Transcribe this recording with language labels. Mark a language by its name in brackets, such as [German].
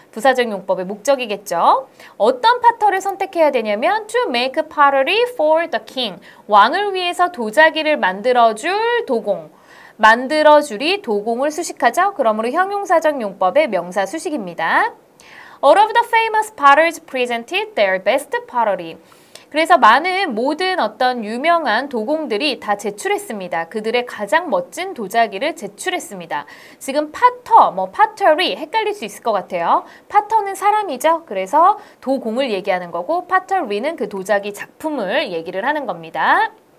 [Korean] 부사적 용법의 목적이겠죠. 어떤 파터를 선택해야 되냐면, [English] to make pottery for the king, [Korean] 왕을 위해서 도자기를 만들어줄 도공. 만들어주리 도공을 수식하죠. 그러므로 형용사적 용법의 명사 수식입니다. [English] All of the famous potters presented their best pottery. [Korean] 그래서 많은 모든 어떤 유명한 도공들이 다 제출했습니다. 그들의 가장 멋진 도자기를 제출했습니다. 지금 파터, 뭐 파터리 헷갈릴 수 있을 것 같아요. 파터는 사람이죠. 그래서 도공을 얘기하는 거고 파터리는 그 도자기 작품을 얘기를 하는 겁니다.